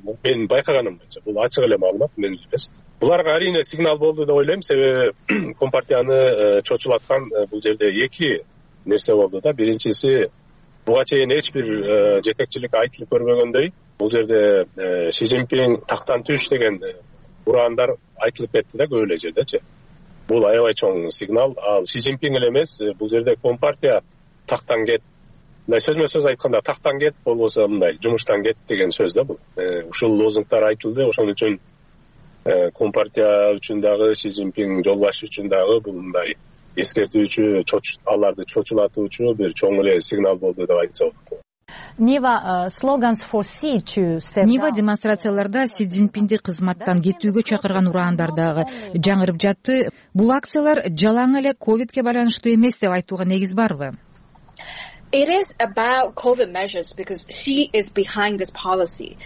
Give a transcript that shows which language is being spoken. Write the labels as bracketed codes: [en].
[ky] Мен байкаганым боюнча бул ачык эле маалымат, мен эмес. Буларга арине сигнал болду деп ойлойм. Себеби компартияны чочулаткан бул жерде эки нерсе болду да. Биринчиси, буга чейин эч бир жетекчилик айтылып көрбөгөндөй, бул жерде Си Цзиньпин тактан түш деген урандар айтылып кетти да көп эле жердечи. Бул аябай чоң сигнал. Ал Си Цзиньпин эле эмес, бул жерде компартия тактан кет. Мындай сөзмө сөз айтканда тактан кет болбосо мындай жумуштан кет деген сөз да бул. Ушул лозунгтар айтылды. Ошон үчүн компартия үчүн дагы, Си Цзиньпин жолбашы үчүн дагы бул мындай эскертүүчү, аларды чочулатуучу бир чоң эле сигнал болду деп айтса болот. Нива демонстрацияларда Си Цзиньпинди кызматтан кетүүгө чакырган ураандар дагы жаңырып жатты. Бул акциялар жалаң эле ковидке байланыштуу эмес деп айтууга негиз барбы? [en] It is about COVID measures because she is behind this policy.